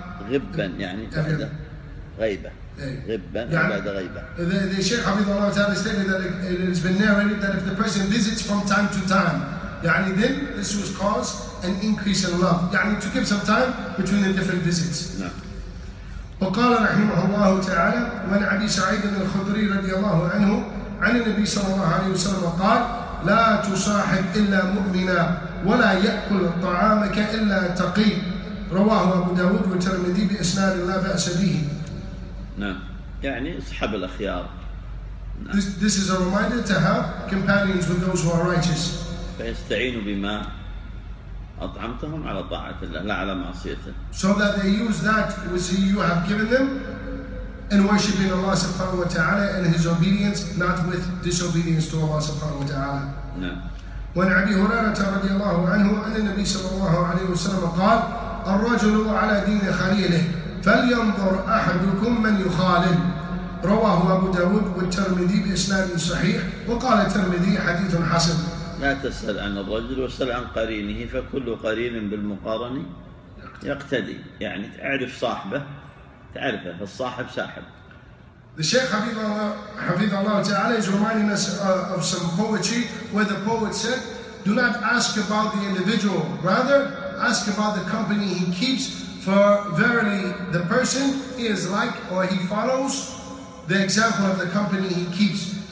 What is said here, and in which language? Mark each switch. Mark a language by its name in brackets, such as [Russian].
[Arabic] غبا يعني بعد غيبة غبا بعد غيبة. [English] The Shaykh Hafidhahullah Ta'ala stated that it has been narrated that if the person visits from time to time, [Arabic] يعني [English] then this was cause an increase in love. [Arabic] يعني [English] to give some time between the different visits. [Arabic] وقال رحمه الله تعالى وعن أبي سعيد الخدري رضي الله عنه عن النبي صلى الله عليه وسلم قال لا تصاحب إلا مؤمنا ولا يأكل طعامك إلا تقي رواه أبو داود والترمذي بإسناد لا بأس به. يعني اصحب الأخيار. [English] This is a reminder to have companions with those who are righteous. [Arabic] فيستعينوا بما أطعمتهم على طاعة الله لا على معصيته. [English] So that they use that which you have given them in worshiping Allah subhanahu wa ta'ala and His obedience, not with disobedience to Allah subhanahu wa ta'ala. [Arabic] وعن أبي هريرة رضي الله عنه أن النبي صلى الله عليه وسلم قال الرجل على دين خليله فلينظر أحدكم من يخالل رواه أبو داود والترمذي بإسناد صحيح وقال الترمذي حديث حسن. لا تسأل عن الرجل واسأل عن قرينه فكل قرين بالمقارن يقتدي. يعني تعرف صاحبه تعرفه، فالصاحب ساحب. [English] The Shaykh Hafidhullah Ta'ala is reminding us of some poetry where the poet said, do not ask about the individual, rather ask about the company he keeps, for verily the person he is like, or he follows the example of the company he keeps.